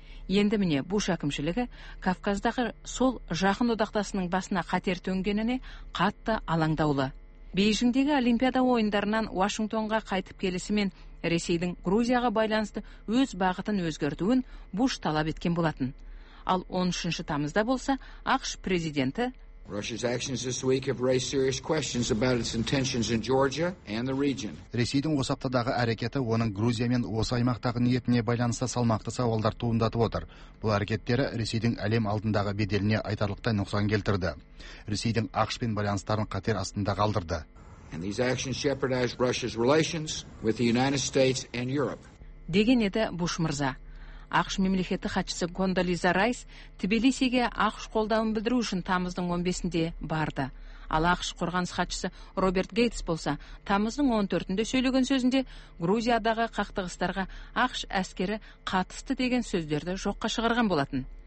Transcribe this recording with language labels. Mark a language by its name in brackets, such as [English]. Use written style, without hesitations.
[Kazakh] Енді міне Буш әкімшілігі Кавказдағы сол жақын одақтасының басына қатер төнгеніне қатты алаңдаулы. Бейжіңдегі Олимпиада ойындарынан Вашингтонға қайтып келісімен Ресейдің Грузияға байланысты өз бағытын өзгертуін Буш талап еткен болатын. Ал 13 тамызда болса ақш президенті [English] Russia's actions this week have raised serious questions about its intentions in Georgia and the region. [Kazakh] Ресейдің осы аптадағы әрекеті оның Грузия мен осы аймақтағы ниетіне байланысты салмақты сауалдар туындатып отыр. Бұл әрекеттері Ресейдің әлем алдындағы беделіне айтарлықтай нұқсан келтірді. Ресейдің ақш пен байланыстарын қатер астында қалдырды. [English] And these actions jeopardize Russia's relations with the United States and Europe. [Kazakh] Деген еді Буш мырза. Ақш мемлекеті хатшысы Кондолиза Райс Тбилисиге ақш қолдауын білдіру үшін тамыздың 15-де барды. Ал ақш қорғаныс хатшысы Роберт Гейтс болса, тамыздың 14-де сөйлеген сөзінде Грузиядағы қақтығыстарға ақш әскері қатысты деген сөздерді жоққа шығарған болатын.